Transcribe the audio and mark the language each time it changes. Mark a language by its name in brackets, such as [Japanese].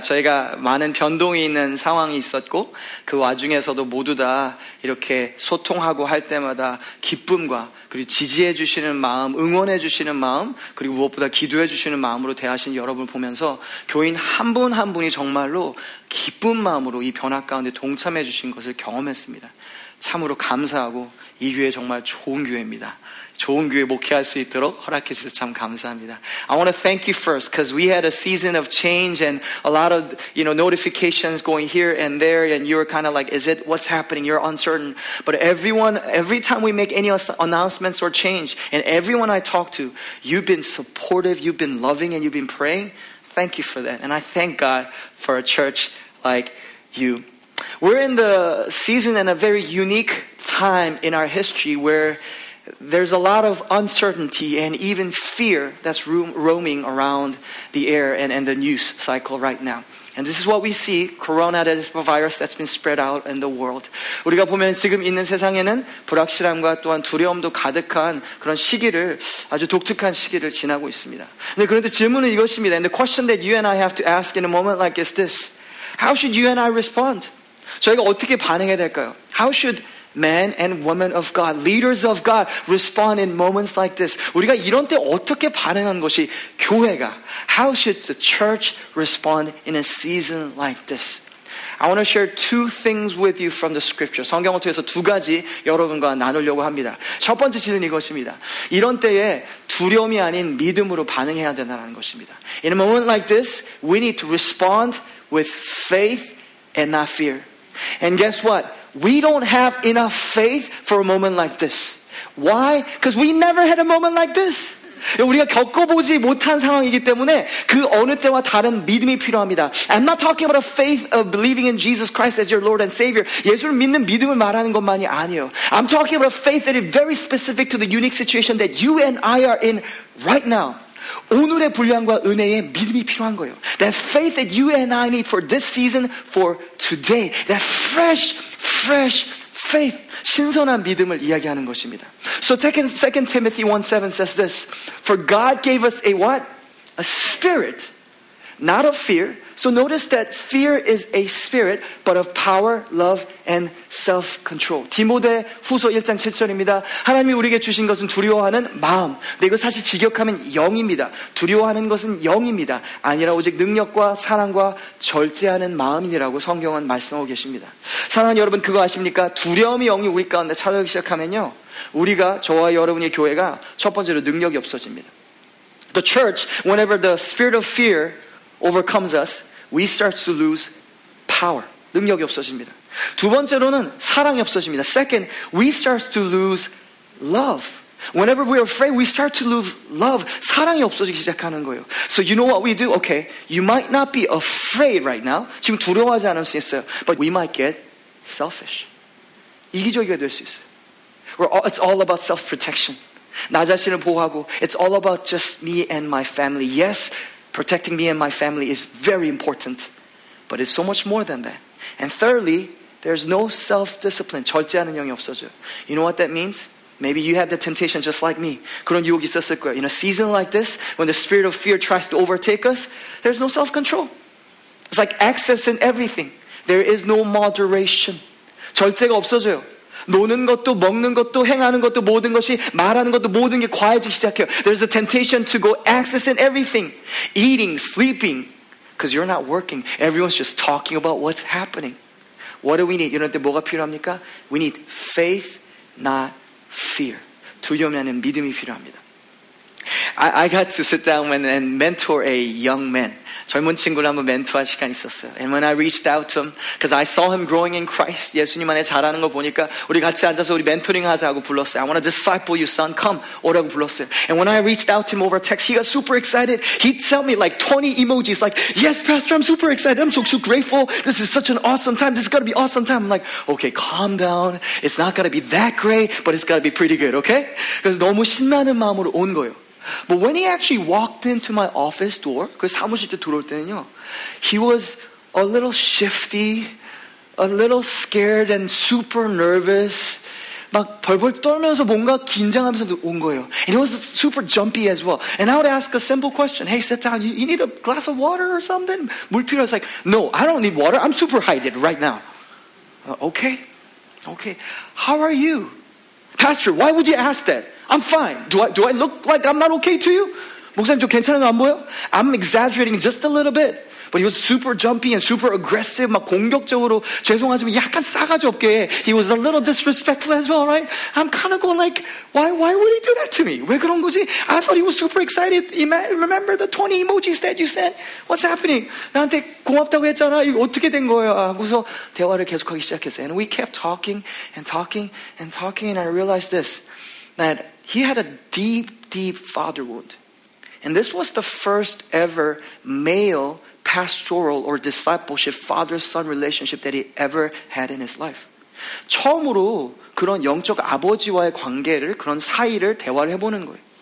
[Korean] 저희가 많은 변동이 있는 상황이 있었고 그 와중에서도 모두 다 이렇게 소통하고 할 때마다 기쁨과 그리고 지지해 주시는 마음, 응원해 주시는 마음, 그리고 무엇보다 기도해 주시는 마음으로 대하신 여러분을 보면서 교인 한 분 한 분이 정말로 기쁜 마음으로 이 변화 가운데 동참해 주신 것을 경험했습니다. 참으로 감사하고 이 교회 정말 좋은 교회입니다. 좋은 교회 목회할 수 있도록 허락해 주셔서 참 감사합니다. [English] I want to thank you first because we had a season of change and a lot of, you know, notifications going here and there and you were kind of like, is it, what's happening? You're uncertain. But everyone, every time we make any announcements or change and everyone I talk to, you've been supportive, you've been loving and you've been praying. Thank you for that. And I thank God for a church like you. We're in the season and a very unique time in our history where there's a lot of uncertainty and even fear that's roaming around the air and the news cycle right now. And this is what we see, corona, that is a virus that's been spread out in the world. [Korean] 우리가 보면 지금 있는 세상에는 불확실함과 또한 두려움도 가득한 그런 시기를, 아주 독특한 시기를 지나고 있습니다. 그런데 질문은 이것입니다. [English] And the question that you and I have to ask in a moment like is this. How should you and I respond? [Korean] 저희가 어떻게 반응해야 될까요? [English] How should men and women of God, leaders of God, respond in moments like this. [Korean] 우리가 이런 때 어떻게 반응하는 것이 교회가? [English] How should the church respond in a season like this? I want to share two things with you from the scripture. [Korean] 성경을 통해서 두 가지 여러분과 나누려고 합니다. 첫 번째 질문은 이것입니다. 이런 때에 두려움이 아닌 믿음으로 반응해야 된다는 것입니다. [English] In a moment like this, we need to respond with faith and not fear. And guess what? We don't have enough faith for a moment like this. Why? Because we never had a moment like this. [Korean] 우리가 겪어보지 못한 상황이기 때문에 그 어느 때와 다른 믿음이 필요합니다. [English] I'm not talking about a faith of believing in Jesus Christ as your Lord and Savior. [Korean] 예수를 믿는 믿음을 말하는 것만이 아니에요. [English] I'm talking about a faith that is very specific to the unique situation that you and I are in right now. [Korean] 오늘의 분량과 은혜에 믿음이 필요한 거예요. [English] That faith that you and I need for this season, for today. That fresh faith. [Korean] 신선한 믿음을 이야기하는 것입니다. [English] So 2 Timothy 1:7 says this. For God gave us a what? A spirit, not of fear. So notice that fear is a spirit, but of power, love, and self-control. [Korean] 디모데 후서 1장 7절입니다. 하나님이 우리에게 주신 것은 두려워하는 마음. 근데 이거 사실 직역하면 영입니다. 두려워하는 것은 영입니다. 아니라 오직 능력과 사랑과 절제하는 마음이라고 성경은 말씀하고 계십니다. 사랑하는 여러분 그거 아십니까? 두려움이 영이 우리 가운데 찾아오기 시작하면요. 우리가 저와 여러분의 교회가 첫 번째로 능력이 없어집니다. [English] The church, whenever the spirit of fear overcomes us, we start to lose power. [Korean] 능력이 없어집니다. 두 번째로는 사랑이 없어집니다. [English] Second, we start to lose love. Whenever we are afraid, we start to lose love. [Korean] 사랑이 없어지기 시작하는 거예요. [English] So you know what we do? Okay, you might not be afraid right now. [Korean] 지금 두려워하지 않을 수 있어요. [English] But we might get selfish. [Korean] 이기적이 될 수 있어요. [English] It's all about self-protection. [Korean] 나 자신을 보호하고, [English] it's all about just me and my family. Yes, protecting me and my family is very important, but it's so much more than that. And thirdly, there's no self-discipline. [Korean] 절제하는 영이 없어져요. [English] You know what that means? Maybe you have the temptation just like me. [Korean] 그런 유혹이 있었을 거예요. [English] In a season like this, when the spirit of fear tries to overtake us, there's no self-control. It's like excess in everything. There is no moderation. [Korean] 절제가 없어져요. 노는 것도 먹는 것도 행하는 것도 모든 것이 말하는 것도 모든 게 과해지기 시작해요. [English] There's a temptation to go excess in everything. Eating, sleeping, because you're not working. Everyone's just talking about what's happening. What do we need? [Korean] 이런 때 뭐가 필요합니까? [English] We need faith, not fear. [Korean] 두려움이 아닌 믿음이 필요합니다. [English] I got to sit down and mentor a young man. [Korean] 젊은 친구를 한번 멘토할 시간이 있었어요. [English] And when I reached out to him, because I saw him growing in Christ, [Korean] 예수님 안에 자라는 거 보니까 우리 같이 앉아서 우리 멘토링 하자고 불렀어요. [English] I want to disciple you, son. Come, [Korean] 오라고 불렀어요. [English] And when I reached out to him over text, he got super excited. He'd tell me like 20 emojis, like, yes, pastor, I'm super excited. I'm so grateful. This is such an awesome time. This is going to be awesome time. I'm like, okay, calm down. It's not going to be that great, but it's going to be pretty good, okay? [Korean] 그래서 너무 신나는 마음으로 온 거예요. [English] But when he actually walked into my office door, [Korean] 그 사무실 때 들어올 때는요, [English] he was a little shifty, a little scared and super nervous. [Korean] 막 벌벌 떨면서 뭔가 긴장하면서 온 거예요. [English] And he was super jumpy as well. And I would ask a simple question. Hey, sit down. You need a glass of water or something? [Korean] 물 필요? [English] I was like, no, I don't need water. I'm super hydrated right now. Okay. Okay. How are you? Pastor, why would you ask that? I'm fine. Do I look like I'm not okay to you? [Korean] 목사님, 저 괜찮은 거 안 보여? [English] I'm exaggerating just a little bit. But he was super jumpy and super aggressive, [Korean] 막 공격적으로, 죄송하지만 약간 싸가지 없게. [English] He was a little disrespectful as well, right? I'm kind of going like, why would he do that to me? [Korean] 왜 그런 거지? [English] I thought he was super excited. Remember the 20 emojis that you sent? What's happening? [Korean] 나한테 고맙다고 했잖아. 이거 어떻게 된 거야? 하고서 대화를 계속하기 시작했어요. [English] And we kept talking and talking and talking, and I realized this, that he had a deep, deep father wound. And this was the first ever male pastoral or discipleship father-son relationship that he ever had in his life. [Korean] 처음으로 그런 영적 아버지와의 관계를, 그런 사이를 대화를 해보는 거예요.